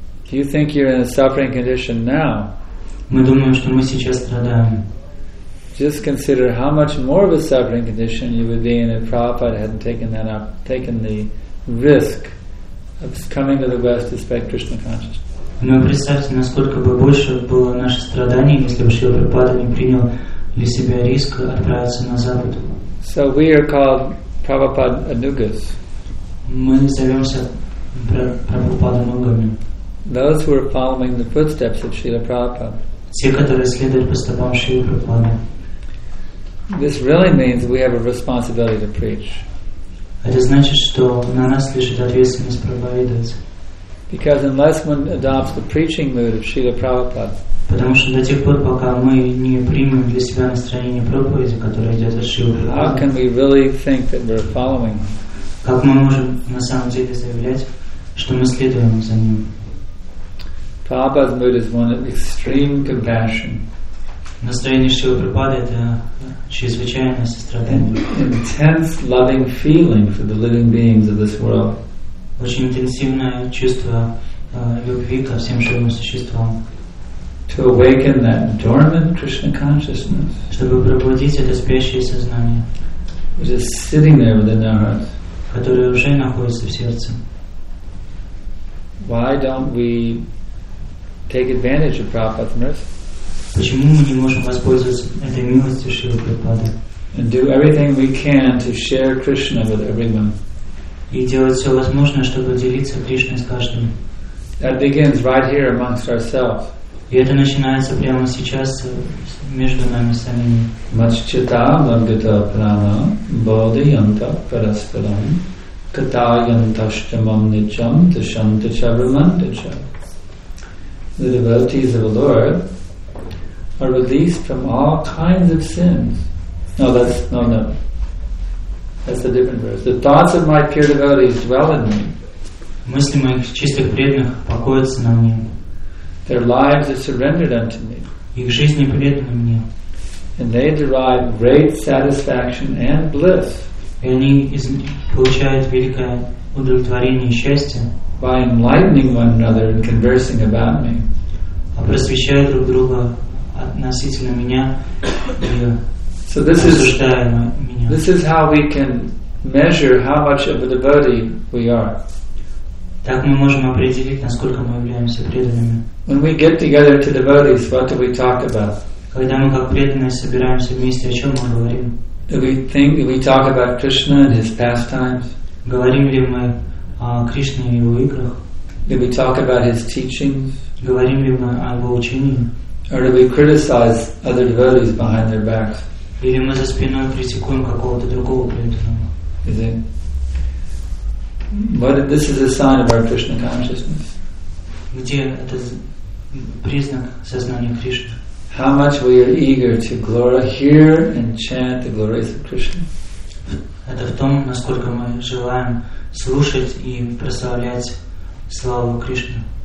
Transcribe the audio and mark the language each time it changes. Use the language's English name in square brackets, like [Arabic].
[English] Do you think you're in a suffering condition now? [Russian] Мы думаем, что мы сейчас страдаем. [English] Just consider how much more of a suffering condition you would be in if Prabhupada hadn't taken the risk of coming to the West to spread Krishna consciousness. [Russian] Но представьте, насколько бы больше было наших страданий, если бы Шрила Прабхупада не принял для себя риск отправиться на Запад. [English] So we are called Prabhupada Anugas. [Russian] Мы называемся Прабхупада Анугами. [English] Those who are following the footsteps of Srila Prabhupada. [Russian] Те, которые следуют по стопам Шрилы Прабхупады. [English] This really means we have a responsibility to preach. [Russian] Это значит, что на нас лежит ответственность проповедовать. [English] Because unless one adopts the preaching mood of Srila Prabhupada, [Russian] потому что до тех пор, пока мы не примем для себя настроение проповеди, которое идет от Шрилы Прабхупады, [English] how can we really think that we're following? [Russian] Как мы можем на самом деле заявлять, что мы следуем за ним? [English] Prabhupada's mood is one of extreme compassion. [Russian] Настроение Шрилы Прабхупады — это чрезвычайное сострадание. [English] Intense loving feeling for the living beings of this world. [Russian] Очень интенсивное чувство любви ко всем живым существам. [English] To awaken that dormant Krishna consciousness. [Russian] Чтобы пробудить это спящее сознание. [English] Which is sitting there within our hearts. [Russian] Которое уже находится в сердце. [English] Why don't we take advantage of Prabhupada's mercy? [Russian] Почему мы не можем воспользоваться этой милостью Шрилы Прабхупады? [English] And do everything we can to share Krishna with everyone. [Russian] И делать все возможное, чтобы делиться Кришной с каждым. [English] That begins right here amongst ourselves. [Russian] И это начинается прямо сейчас между нами самими. [Sanskrit] Маччита бхагата прана бодхиянта параспарам катаянташчамам ничам дашанташабрамандача. [English] The devotees of the Lord are released from all kinds of sins. That's a different verse. The thoughts of my pure devotees dwell in me. [Russian] Мысли моих чистых преданных покоятся на мне. [English] Their lives are surrendered unto me. [Russian] Их жизни преданы мне. [English] And they derive great satisfaction and bliss. [Russian] И они получают великое удовлетворение и счастье. [English] By enlightening one another and conversing about me. [Russian] А просвещая друг друга относительно меня и [English] So this is how we can measure how much of a devotee we are. [Russian] Так мы можем определить, насколько мы являемся преданными. [English] When we get together to devotees, what do we talk about? [Russian] Когда мы как преданные собираемся вместе, о чем мы говорим? [English] Do we talk about Krishna and his pastimes? [Russian] Говорим ли мы о Кришне и его играх? [English] Do we talk about his teachings? [Russian] Говорим ли мы о его учении? [English] Or do we criticize other devotees behind their backs? [Russian] Или мы за спиной критикуем какого-то другого преданного? [English] Is it? But this is a sign of our Krishna consciousness. [Russian] Где это признак сознания Кришны? [English] How much we are eager to hear and chant the glories of Krishna? [Russian] Это в том, насколько мы желаем слушать и прославлять славу Кришны.